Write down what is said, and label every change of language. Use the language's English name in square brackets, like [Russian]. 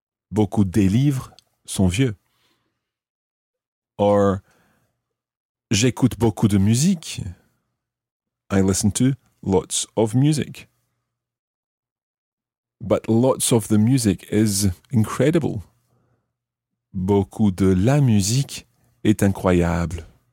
[French] Beaucoup des livres sont vieux. Or, j'écoute beaucoup de musique. [English] I listen to lots of music. But lots of the music is incredible. [French] Beaucoup de la musique est incroyable.